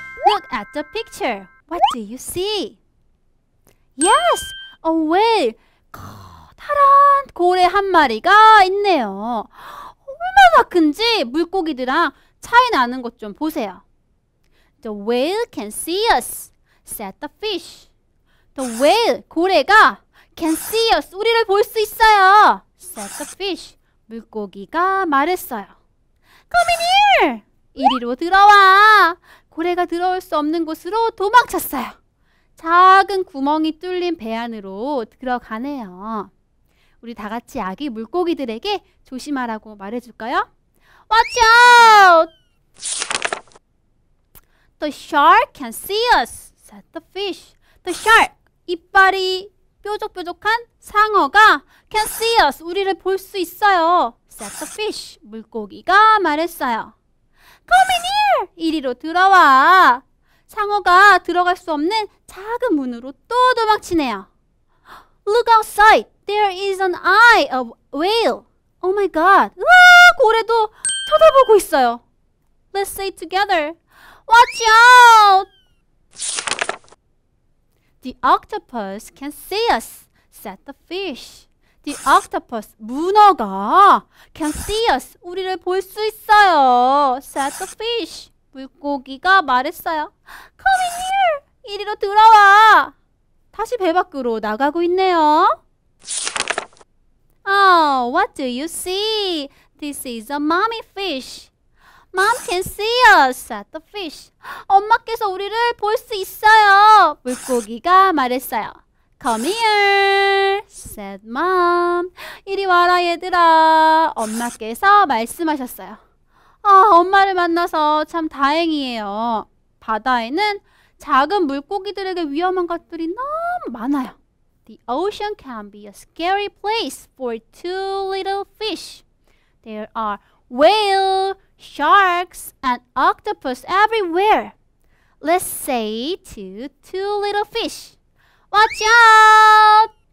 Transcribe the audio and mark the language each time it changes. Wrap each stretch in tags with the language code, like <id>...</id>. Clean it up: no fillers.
<en>Look at the picture. What do you see? Yes! A whale!</en> <ko>커다란 고래 한 마리가 있네요. 얼마나 큰지 물고기들이랑 차이 나는 것 좀 보세요.</ko> <en>The whale can see us, said the fish. The whale, 고래가 can see us, 우리를 볼 수 있어요, said the fish. 물고기가 말했어요. Come in here!</en> <ko>이리로 들어와! 고래가 들어올 수 없는 곳으로 도망쳤어요. 작은 구멍이 뚫린 배 안으로 들어가네요. 우리 다 같이 아기 물고기들에게 조심하라고 말해줄까요?</ko> <en>Watch out! The shark can see us, said the fish. The shark, 이빨이 뾰족뾰족한 상어가 can see us, 우리를 볼 수 있어요, said the fish. 물고기가 말했어요. Come in here!</en> <ko>이리로 들어와! 상어가 들어갈 수 없는 작은 문으로 또 도망치네요.</ko> <en>Look outside! There is an eye of whale! Oh my god! 우와!</en> <ko>고래도 쳐다보고 있어요!</ko> <en>Let's say together! Watch out! The octopus can see us, said the fish. The octopus, 문어가 can see us, 우리를 볼 수 있어요, said the fish. 물고기가 말했어요. Come in here!</en> <ko>이리로 들어와! 다시 배 밖으로 나가고 있네요.</ko> <en>Oh, what do you see? This is a mommy fish. Mom can see us, said the fish.</en> <ko>엄마께서 우리를 볼 수 있어요, 물고기가 말했어요.</ko> <en>Come here, said mom. 이리 와라, 얘들아.</en> <ko>엄마께서 말씀하셨어요. 아, 엄마를 만나서 참 다행이에요. 바다에는 작은 물고기들에게 위험한 것들이 너무 많아요.</ko> <en>The ocean can be a scary place for two little fish. There are whale, sharks, and octopus everywhere. Let's say to two little fish. Watch out!</en>